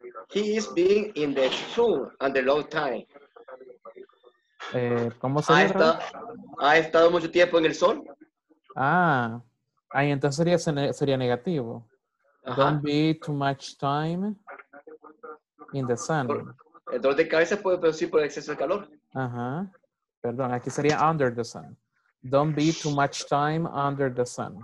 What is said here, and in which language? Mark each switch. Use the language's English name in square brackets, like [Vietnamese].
[English] He is being in the sun and a long time. [Spanish] ¿Cómo se dice? Ha estado mucho tiempo en el sol. Ah. Ahí entonces sería negativo. Ajá. [English] Don't be too much time in the sun. [Spanish] El dolor de cabeza puede producir por el exceso de calor. Ajá. Perdón, aquí sería [English] under the sun. Don't be too much time under the sun.